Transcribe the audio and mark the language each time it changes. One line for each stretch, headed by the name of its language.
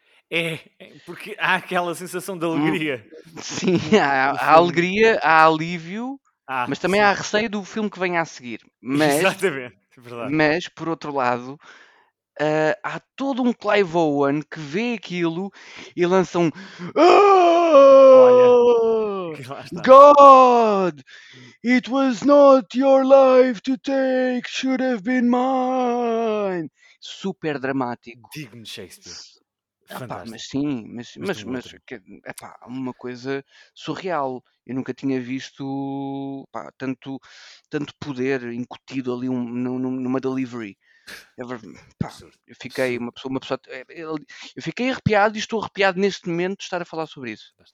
Portuguese: É, porque há aquela sensação de alegria. Sim, há alegria, há alívio, mas também sim. Há receio do filme que vem a seguir. Mas, exatamente, verdade. Mas, por outro lado, há todo um Clive Owen que vê aquilo e lança um... Olha,
English: God, it was not your life to take, should have been mine.
Portuguese: Super dramático. Digno Shakespeare. Epá, mas sim, mas epá, uma coisa surreal. Eu nunca tinha visto epá, tanto poder incutido ali numa delivery. Epá, eu fiquei uma pessoa, eu fiquei arrepiado e estou arrepiado neste momento de estar a falar sobre isso.